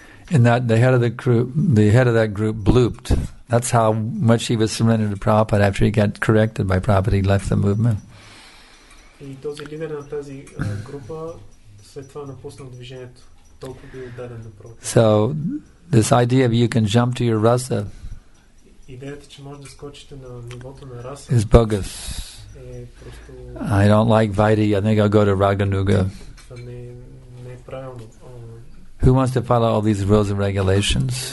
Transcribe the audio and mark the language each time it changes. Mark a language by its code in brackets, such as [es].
[en] And that the head of that group blooped. That's how much he was surrendered to Prabhupada after he got corrected by Prabhupada, he left the movement. [bg] И този лидер на тази група след това напуснал движението. Толкова бил отдаден на Прабхупада. [en] So, this idea of you can jump to your rasa. [bg] Идеята, че може да скочите на нивото на раса. [en] Is bogus. [bg] Просто... [en] I don't like Vaidhi. I think I'll go to Raganuga. [bg] Не е правилно. [en] Who wants to follow all these rules and regulations?